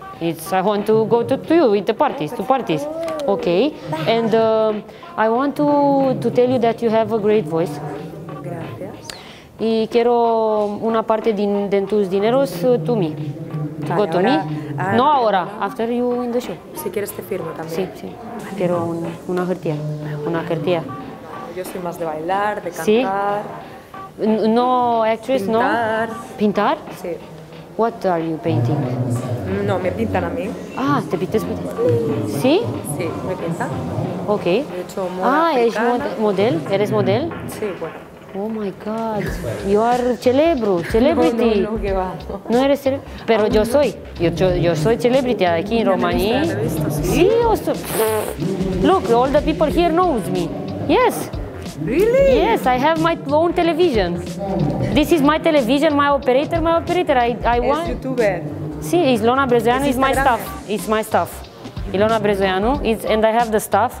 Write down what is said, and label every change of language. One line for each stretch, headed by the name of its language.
English: It's I want to go to you with the parties, two parties. Okay. And I want to tell you that you have a great voice.
Spanish: Gracias. Y quiero una parte de tus dineros
English: to me. To go to me.
Spanish: No ahora,
English: after you in the show.
Spanish: Si quieres te firmo también. Sí, sí. Quiero una cartilla. Yo soy más de bailar, de cantar. Sí. No actress, pintar. No. Pintar? Sí.
English: What are you painting?
Spanish: No, me pintan a mí. Ah, te pintas. ¿Sí? Sí, me pinta. Ok. He hecho moda africana. Model? ¿Eres model? Sí, bueno.
English: Oh my God. You are celebrity.
Spanish: No, que va. No eres celebrity. Pero yo soy. Yo soy celebrity aquí en Romania. Sí, yo soy.
English: Look, all the people here know me. Yes. Really? Yes, I have my own television. This is my television, my operator. I want.
Spanish: Es YouTuber.
English: Sí, Ilona Brezoianu is my stuff. It's my stuff. Ilona Brezoianu is and I have the stuff.